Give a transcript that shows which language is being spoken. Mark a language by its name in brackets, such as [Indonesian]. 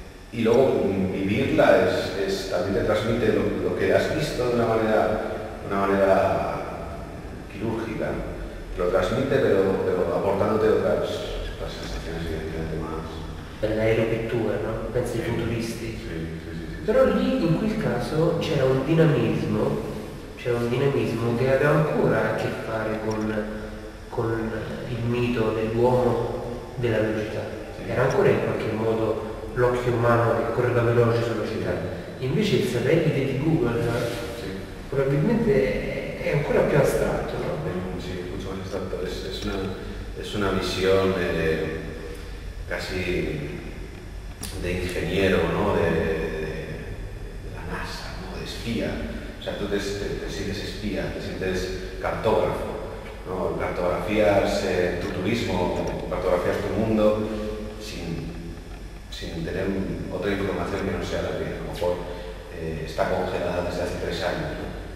[Spanish] Y luego vivirla es también te transmite lo que has visto de una manera quirúrgica, lo transmite pero aportándote otras sensaciones evidentemente más. [Italian] Per l'aeropittura, no? Pensi ai futuristi. Sì. Però lì in quel caso c'era un dinamismo. C'è un dinamismo che aveva ancora a che fare con il mito dell'uomo della velocità. Era ancora in qualche modo l'occhio umano che correva veloce sulla città. Invece il satellite di Google probabilmente è ancora più astratto, no? Sì, molto più astratto. È una visione quasi di ingegnere, no? Della NASA, no? De spia. [Spanish] O sea, tú te sientes espía, te sientes cartógrafo, ¿no? Cartografías tu turismo, cartografías tu mundo sin tener otra información que no sea la que a lo mejor está congelada desde hace 3 años, ¿no?